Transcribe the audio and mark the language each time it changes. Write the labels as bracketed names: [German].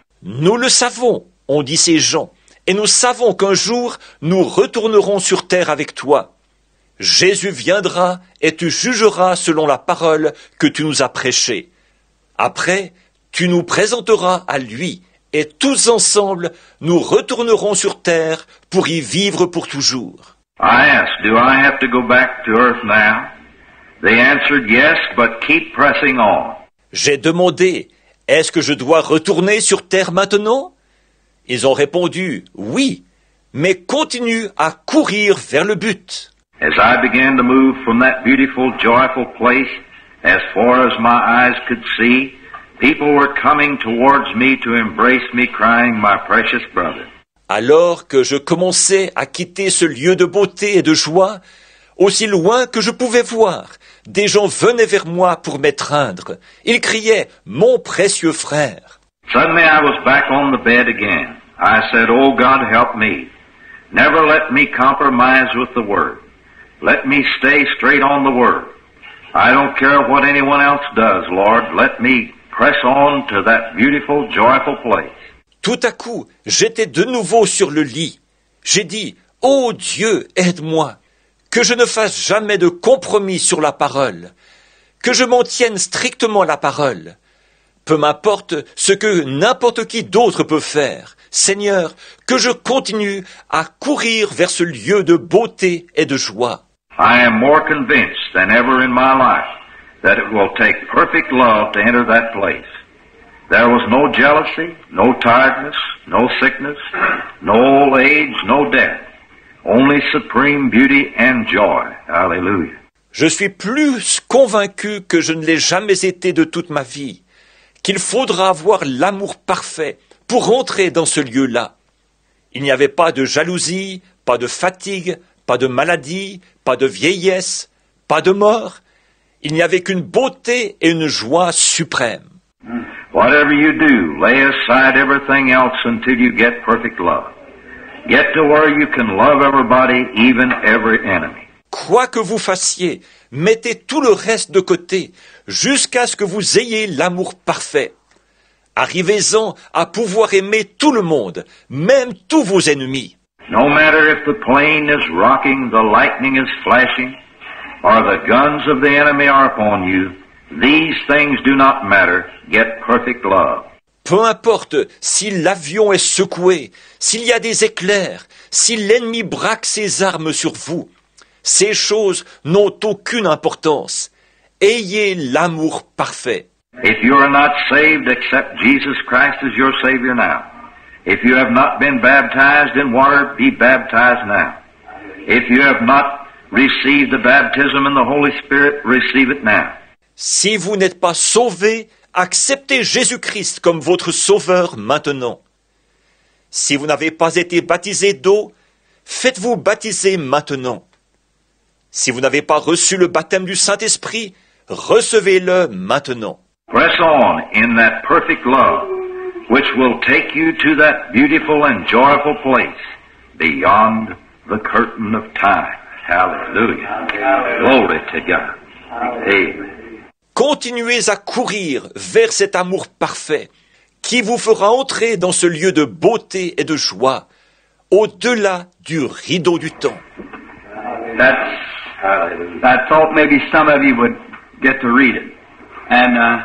[French] Nous le savons, ont dit ces gens, et nous savons qu'un jour nous retournerons sur terre avec toi. Jésus viendra et tu jugeras selon la parole que tu nous as prêchée. Après, tu nous présenteras à lui et tous ensemble, nous retournerons sur terre pour y vivre pour toujours. [English] I asked, do I have to go back to earth now? They answered, yes, but keep pressing on. [French] J'ai demandé, est-ce que je dois retourner sur terre maintenant? Ils ont répondu, oui, mais continue à courir vers le but. [English] As I began to move from that beautiful, joyful place, as far as my eyes could see, people were coming towards me to embrace me, crying, my precious brother. [French] Alors que je commençais à quitter ce lieu de beauté et de joie, aussi loin que je pouvais voir, des gens venaient vers moi pour m'étreindre. Ils criaient, mon précieux frère. [English] Suddenly I was back on the bed again. I said, oh God, help me. Never let me compromise with the word. Let me stay straight on the word. I don't care what anyone else does, Lord. Let me press on to that beautiful, joyful place. [French] Tout à coup, j'étais de nouveau sur le lit. J'ai dit, oh Dieu, aide-moi. Que je ne fasse jamais de compromis sur la parole. Que je m'en tienne strictement la parole. Peu m'importe ce que n'importe qui d'autre peut faire. Seigneur, que je continue à courir vers ce lieu de beauté et de joie. [English] I am more convinced than ever in my life that it will take perfect love to enter that place. There was no jealousy, no tiredness, no sickness, no old age, no death. Only supreme beauty and joy. Hallelujah. [French] Je suis plus convaincu que je ne l'ai jamais été de toute ma vie, qu'il faudra avoir l'amour parfait pour entrer dans ce lieu-là. Il n'y avait pas de jalousie, pas de fatigue, pas de maladie, pas de vieillesse, pas de mort. Il n'y avait qu'une beauté et une joie suprême. [English] Whatever you do, lay aside everything else until you get perfect love. Get to where you can love everybody, even every enemy. [French] Quoi que vous fassiez, mettez tout le reste de côté jusqu'à ce que vous ayez l'amour parfait. Arrivez-en à pouvoir aimer tout le monde, même tous vos ennemis. [English] No matter if the plane is rocking, the lightning is flashing, or the guns of the enemy are upon you, these things do not matter. Get perfect love. [French] Peu importe si l'avion est secoué, s'il y a des éclairs, si l'ennemi braque ses armes sur vous, ces choses n'ont aucune importance. Ayez l'amour parfait. [English] If you are not saved, accept Jesus Christ as your Savior now. If you have not been baptized in water, be baptized now. If you have not received the baptism in the Holy Spirit, receive it now. [French] Si vous n'êtes pas sauvé, acceptez Jésus-Christ comme votre Sauveur maintenant. Si vous n'avez pas été baptisé d'eau, faites-vous baptiser maintenant. Si vous n'avez pas reçu le baptême du Saint-Esprit, recevez-le maintenant. [English] Press on in that perfect love, which will take you to that beautiful and joyful place beyond the curtain of time. Hallelujah. Glory to God. Amen. [French] Continuez à courir vers cet amour parfait qui vous fera entrer dans ce lieu de beauté et de joie au-delà du rideau du temps. [English] That's, I thought maybe some of you would get to read it. And